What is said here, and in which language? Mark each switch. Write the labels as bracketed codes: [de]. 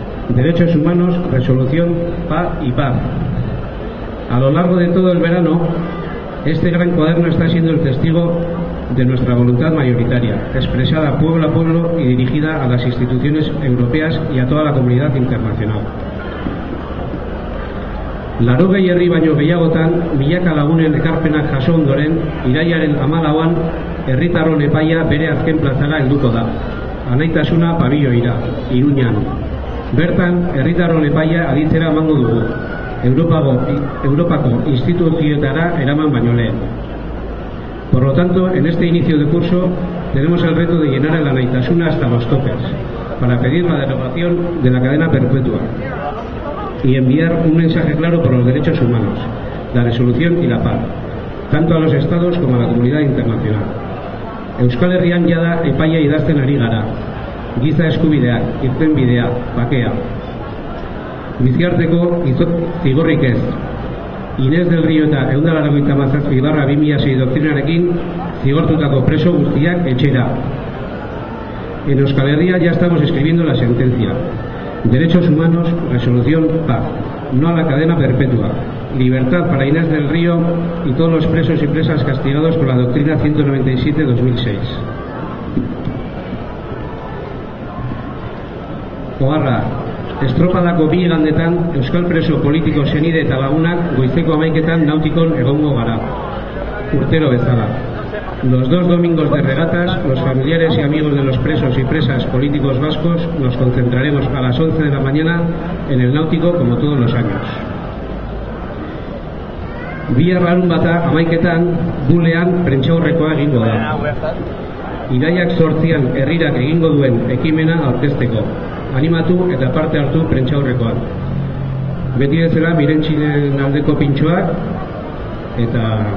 [es] Derechos humanos, resolución, paz y paz. A lo largo de todo el verano, este gran cuaderno está siendo el testigo de nuestra voluntad mayoritaria, expresada pueblo a pueblo y dirigida a las instituciones europeas y a toda la comunidad internacional. [eu] Larogei herri baino gehiagotan, milaka lagunen ekarpenak jaso ondoren, irailaren 14an, Herritarron Epaia bere azken plazara helduko da. Anaitasuna pabilloira, Iruñan. Bertan, Herritarron Epaia aditzera emango dugu, Europako instituzioetara eraman baino lehen. [es] Por lo tanto, en este inicio de curso, tenemos el reto de llenar el Anaitasuna hasta los topes, para pedir la derogación de la cadena perpetua y enviar un mensaje claro por los derechos humanos, la resolución y la paz, tanto a los estados como a la comunidad internacional. [eu] Euskal Herrian jada epaia idazten ari gara, giza eskubideak, irtenbidea, bakea. Biziarteko zigorrik ez, Inés del Río eta 187/2006 doktrinarekin zigortutako preso guztiak etxera. [es] En Euskal Herria ya estamos escribiendo la sentencia. Derechos humanos, resolución, paz. No a la cadena perpetua. Libertad para Inés del Río y todos los presos y presas castigados por la doctrina 197/2006. [eu] Oarra, estropadako bi igandetan euskal preso politiko senide eta lagunak goizeko 11etan nautikon egongo gara. Urtero bezala. [es] Los dos domingos de regatas, los familiares y amigos de los presos y presas políticos vascos nos concentraremos a las 11 de la mañana en el náutico como todos los años. [eu] Bihar larunbata, 11etan, bulean prentsaurrekoa egingo da. Irailak 8an herrirak egingo duen ekimena aurkezteko. Animatu eta parte hartu prentsaurrekoan. Beti bezala Mirentxiren aldeko pintxoak eta...